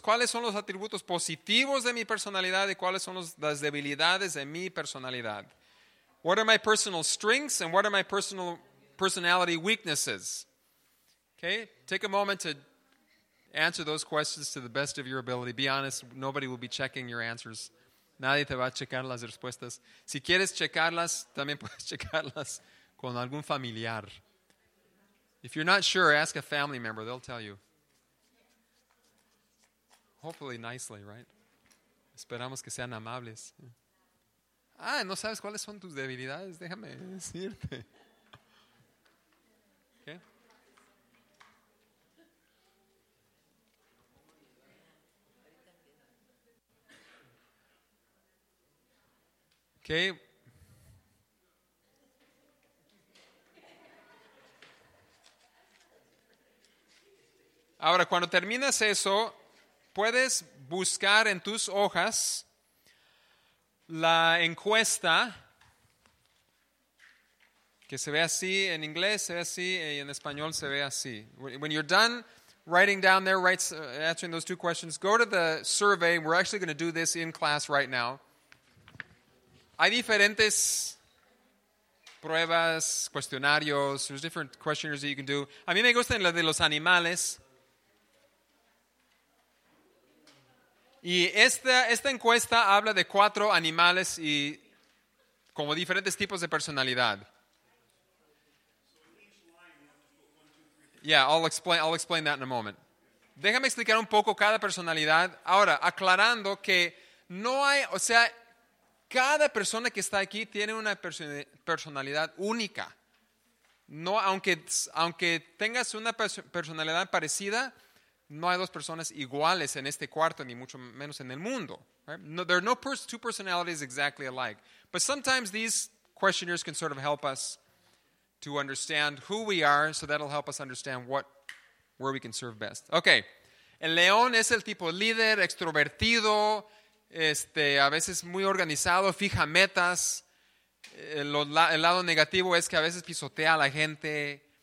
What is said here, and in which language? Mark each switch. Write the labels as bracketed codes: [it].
[es] ¿Cuáles son los atributos positivos de mi personalidad y cuáles son las debilidades de mi personalidad? [en] What are my personal strengths and what are my personality weaknesses? Okay, take a moment to answer those questions to the best of your ability. Be honest, nobody will be checking your answers. [es] Nadie te va a checar las respuestas. Si quieres checarlas, también puedes checarlas con algún familiar. [en] If you're not sure, ask a family member. They'll tell you. Hopefully nicely, right? [es] Esperamos que sean amables. Ah, ¿no sabes cuáles son tus debilidades? Déjame decirte. [en] Okay. [es] Ahora, cuando terminas eso, puedes buscar en tus hojas la encuesta que se ve así en inglés, se ve así y en español se ve así. [en] When you're done writing down there, answering those two questions, go to the survey. We're actually going to do this in class right now. [es] Hay diferentes pruebas, cuestionarios. [en] There's different questionnaires that you can do. [es] A mí me gustan las de los animales. Y esta encuesta habla de cuatro animales y como diferentes tipos de personalidad. [en] Yeah, I'll explain that in a moment. [es] Déjame explicar un poco cada personalidad. Ahora, aclarando que no hay, o sea, cada persona que está aquí tiene una personalidad única. No, aunque tengas una personalidad parecida, no hay dos personas iguales en este cuarto, ni mucho menos en el mundo. [en] Right? No, there are no two personalities exactly alike. But sometimes these questionnaires can sort of help us to understand who we are, so that'll help us understand where we can serve best. [es] Okay, el león es el tipo líder, extrovertido, a veces muy organizado, fija metas. El lado negativo es que a veces pisotea a la gente.